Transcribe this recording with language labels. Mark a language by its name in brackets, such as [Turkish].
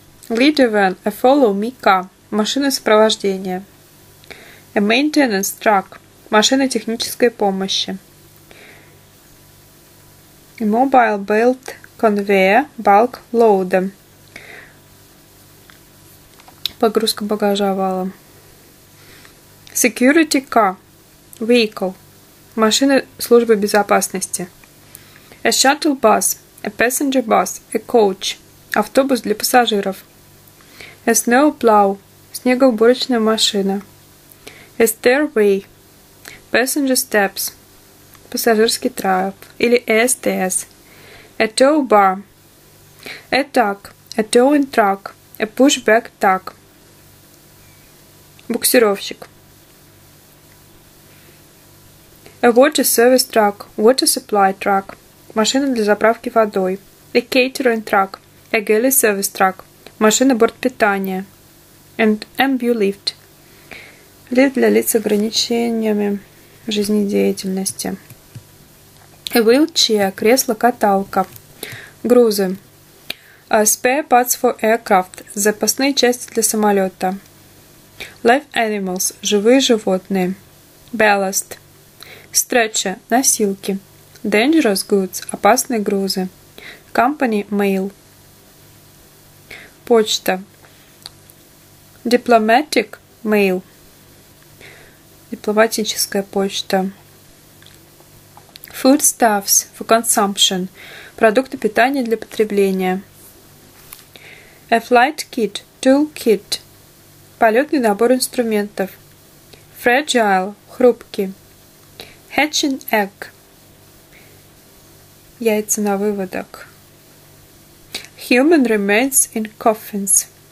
[English] Leader van, a follow me car. [Russian] Машина сопровождения. [English] A maintenance truck. [Russian] Машина технической помощи. [English] A mobile belt conveyor, bulk loader. [Russian] Погрузка багажа вала. [English] Security car, vehicle. [Russian] Машина службы безопасности. [English] A shuttle bus, a passenger bus, a coach, [Russian] автобус для пассажиров. [English] A snow plow, [Russian] снегоуборочная машина. [English] A stairway, passenger steps, [Russian] пассажирский трап, или [English] ESTS. A tow bar, a tug, a towing truck, a pushback tug, [Russian] буксировщик. [English] A water service truck, water supply truck, [Russian] машина для заправки водой. [English] A catering truck. A galley service truck. [Russian] Машина бортпитания. [English] And MBU lift. [Russian] Лифт для лиц с ограничениями жизнедеятельности. [English] A wheelchair. [Russian] Кресло-каталка. Грузы. [English] A spare parts for aircraft. [Russian] Запасные части для самолета. [English] Live animals. [Russian] Живые животные. [English] Ballast. Stretcher. [Russian] Носилки. [English] Dangerous goods – [Russian] опасные грузы. [English] Company – mail. [Russian] Почта. [English] Diplomatic – mail. [Russian] Дипломатическая почта. [English] Foodstuffs – for consumption. [Russian] Продукты питания для потребления. [English] A flight kit – tool kit. [Russian] Полетный набор инструментов. [English] Fragile [Russian] – хрупкий. [English] Hatching egg [Russian] – яйца на выводок. [English] Human remains in coffins.